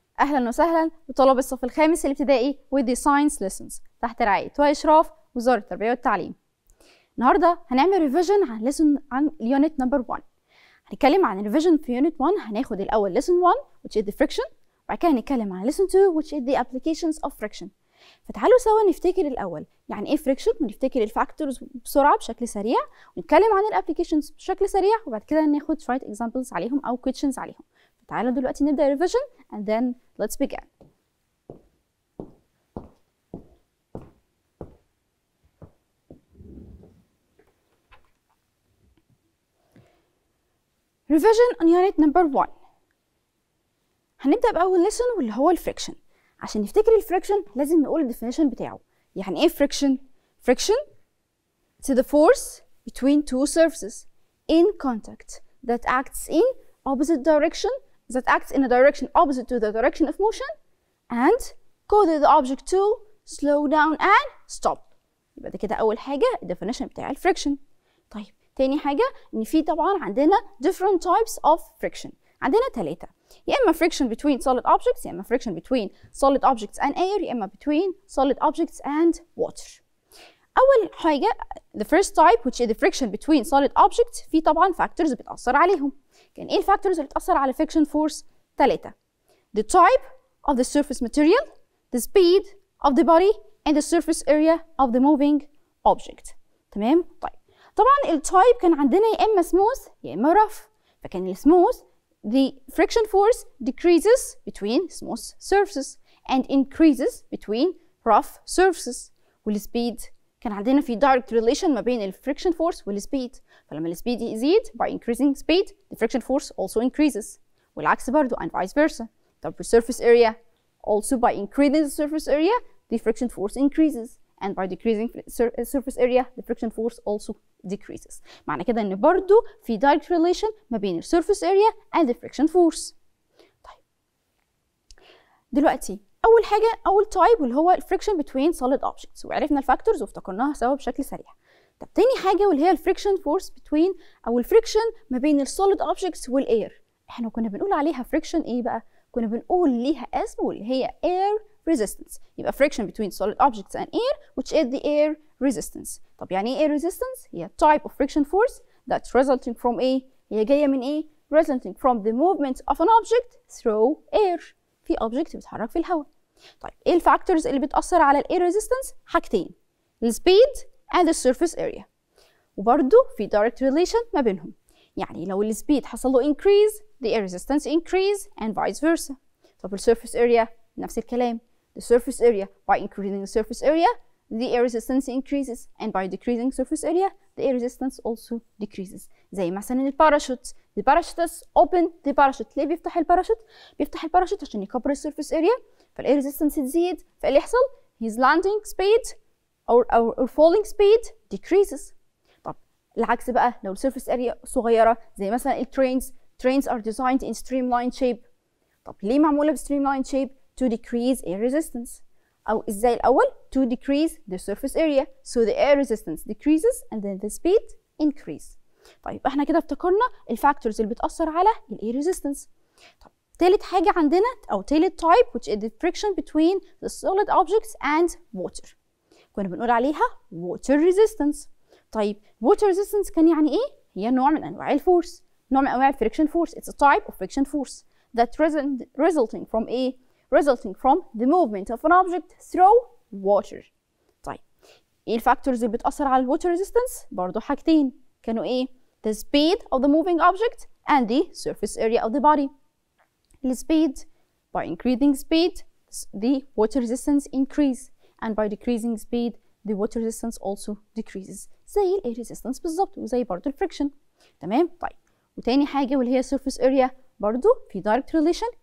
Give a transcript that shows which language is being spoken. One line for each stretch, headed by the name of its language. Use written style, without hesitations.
Arabic: اهلا وسهلا بطلاب الصف الخامس الابتدائي
English: with the science lessons
Arabic: تحت رعايه واشراف وزاره التربيه والتعليم. النهارده هنعمل ريفيجن عن ليسن عن اليونت نمبر 1. هنتكلم عن ريفيجن في يونت 1. هناخد الاول ليسن 1
English: which is the friction،
Arabic: وبعد كده هنتكلم عن ليسن 2
English: which is the applications of friction.
Arabic: فتعالوا سوا نفتكر الاول يعني ايه فريكشن، ونفتكر الفاكتورز بسرعه بشكل سريع، ونتكلم عن الابلكيشنز بشكل سريع، وبعد كده ناخد شويه اكزامبلز عليهم او كويشنز عليهم. تعالوا دلوقتي نبدأ
English: revision and then let's begin. Revision on unit number one.
Arabic: هنبدأ بأول lesson واللي هو الفريكشن. عشان نفتكر الفريكشن لازم نقول definition بتاعه. يعني إيه
English: friction؟ Friction is the force between two surfaces in contact that acts in opposite direction that acts in a direction opposite to the direction of motion and causes the object to slow down and stop.
Arabic: يبقى ده كده أول حاجة definition بتاع الفريكشن. طيب تاني حاجة إن في طبعا عندنا
English: different types of friction.
Arabic: عندنا تلاتة، يا إما
English: friction between solid objects،
Arabic: يا إما
English: friction between solid objects and air، يا إما between solid objects and water.
Arabic: أول حاجة
English: the first type which is the friction between solid objects،
Arabic: في طبعا
English: factors
Arabic: بتأثر عليهم. كان إيه الفاكتورز اللي بتأثر على
English: friction force؟ تلاتة: the type of the surface material, the speed of the body, and the surface area of the moving object.
Arabic: تمام؟ طيب طبعاً ال type كان عندنا يا إما smooth يا إما rough. فكان ال
English: smooth the friction force decreases between smooth surfaces and increases between rough surfaces.
Arabic: وال speed كان عندنا في direct relation ما بين ال friction force وال speed. فلما ال
English: speed
Arabic: يزيد
English: by increasing speed the friction force also increases.
Arabic: والعكس برضو
English: and vice versa.
Arabic: طب في
English: surface area also by increasing the surface area the friction force increases. And by decreasing surface area the friction force also decreases.
Arabic: معنى كده ان برضو في direct relation ما بين ال
English: surface area and the friction force.
Arabic: دلوقتي أول حاجة أول type واللي هو friction between solid objects، وعرفنا الفاكتورز وافتكرناها سوا بشكل سريع. طب تاني حاجة واللي هي friction force between أو friction ما بين ال solid objects وال air. إحنا كنا بنقول عليها friction إيه بقى؟ كنا بنقول ليها اسم واللي هي air resistance.
English: يبقى friction between solid objects and air which is the air resistance.
Arabic: طب يعني إيه
English: air resistance؟ هي type of friction force that's resulting from A.
Arabic: هي جاية من إيه؟
English: resulting from the movement of an object through air.
Arabic: في object بيتحرك في الهواء. طيب ايه الفاكتورز اللي بتأثر على الـ air resistance؟ حاجتين: الـ
English: speed and the surface area.
Arabic: وبرضه في direct relation ما بينهم. يعني لو الـ
English: speed
Arabic: حصل له
English: increase the air resistance increase and vice versa.
Arabic: طب الـ surface area نفس الكلام.
English: The surface area by increasing the surface area the air resistance increases and by decreasing surface area the air resistance also decreases.
Arabic: زي مثلا الـ parachute.
English: The parachute is open. The parachute.
Arabic: ليه بيفتح الباراشوت؟ بيفتح الباراشوت عشان يكبر الـ surface area.
English: فالـ air resistance
Arabic: تزيد. فاللي يحصل
English: his landing speed or falling speed decreases.
Arabic: طب العكس بقى لو الـ surface area صغيرة زي مثلا الـ trains.
English: Trains are designed in streamlined shape.
Arabic: طب ليه معمولة بـ
English: streamlined shape؟ To decrease air resistance.
Arabic: أو إزاي الأول؟
English: To decrease the surface area. So the air resistance decreases and then the speed increase.
Arabic: طيب احنا كده افتكرنا الفاكتورز اللي بتأثر على الـ air resistance. طب تالت حاجة عندنا أو تالت
English: type which is the friction between the solid objects and water.
Arabic: كنا بنقول عليها water resistance. طيب water resistance كان يعني إيه؟ هي نوع من أنواع الـ force. نوع من أنواع الـ friction force.
English: It's a type of friction force that resulting from A. Resulting from the movement of an object through water.
Arabic: طيب إيه الفاكتورز اللي بتأثر على الـ water resistance؟ برضو حاجتين. كانوا إيه؟
English: The speed of the moving object and the surface area of the body. The speed, by increasing speed, the water resistance increases. And by decreasing speed, the water resistance also decreases.
Arabic: زي الـ air resistance بالظبط وزي برضو الـ friction. تمام؟ طيب وتاني حاجة واللي هي surface area برضو في direct relation.